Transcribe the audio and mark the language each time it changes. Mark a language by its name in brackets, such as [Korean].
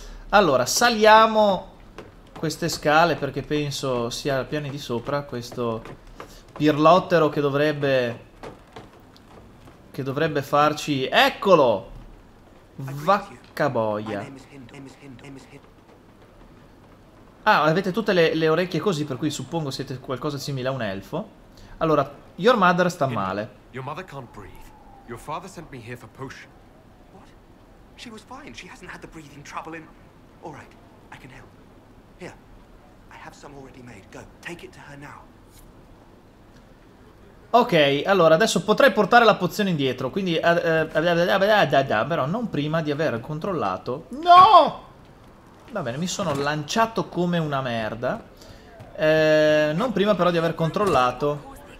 [Italian] Allora, saliamo queste scale perché penso sia al piano di sopra questo pirlottero che dovrebbe farci... Eccolo! Vaccaboia. Ah, avete tutte le orecchie così, per cui suppongo siete qualcosa simile a un elfo. Allora, [English] your mother [Italian] sta male. [English] Your mother can't breathe. Your father sent me here for potion. What? She was fine. She hasn't had the breathing trouble in. All right, I can help. Here, I have some already made. Go, take it to her now. [Italian] Ok, allora adesso potrei portare la pozione indietro. Quindi, però non prima di aver controllato. No! Va bene, mi sono lanciato come una merda. Non prima però di aver controllato.